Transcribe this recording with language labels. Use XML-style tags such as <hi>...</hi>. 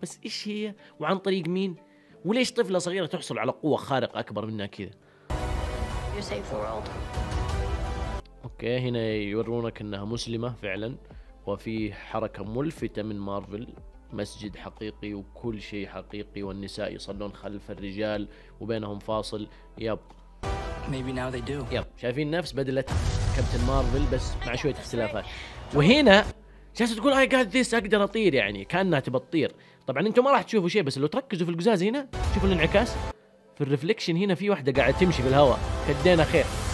<ar>بس إيش هي وعن طريق مين؟ وليش طفلة صغيرة تحصل على قوة خارقة أكبر منها كذا؟ أوكي هنا يورونك إنها مسلمة فعلاً، وفي حركة ملفتة من مارفل، مسجد حقيقي وكل شيء حقيقي، والنساء يصلون خلف الرجال وبينهم فاصل.</ar> <en>Yep maybe now they do.</en> <ar>ياب شايفين نفس بدلة كابتن مارفل بس مع شوية اختلافات. وهنا جالسة تقول</ar> <en>I got this،</en> <ar>أقدر أطير، يعني كأنها تبطير. طبعا أنتم ما راح تشوفوا شيء، بس لو تركزوا في القزاز هنا شوفوا الانعكاس في الرفليكشن، هنا في واحدة قاعدة تمشي بالهواء. كدينا خير.</ar>